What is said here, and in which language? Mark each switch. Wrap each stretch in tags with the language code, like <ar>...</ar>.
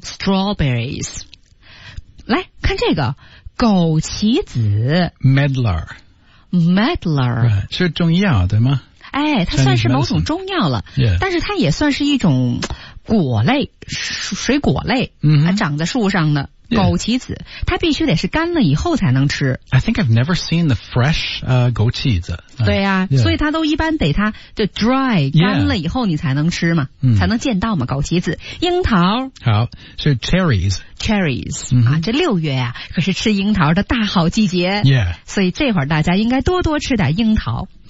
<zh>Strawberries. 来看这个枸杞子</zh> <en>Medlar. Medlar.、</en> <zh>Right. 是中药对吗哎它算是某种中药了、</zh> <en>yeah.</en> <zh>但是它也算是一种果类水果类、</zh> <en>mm-hmm.</en> <zh>长在树上的枸杞子、</zh> <en>yeah.</en> <zh>它必须得是干了以后才能吃。</zh> <en>I think I've never seen the fresh, 枸杞子。</en> <zh>对啊、</zh> <en>yeah.</en> <zh>所以它都一般得它就 dry, 干了以后你才能吃嘛、</zh> <en>yeah.</en> <zh>才能见到嘛枸杞子。樱桃。好是 cherries。</zh> <en>Cherries,、 mm-hmm.</en> <zh>啊这六月啊可是吃樱桃的大好季节。</zh> <en>Yeah.</en> <zh>所以这会儿大家应该多多吃点樱桃。</zh>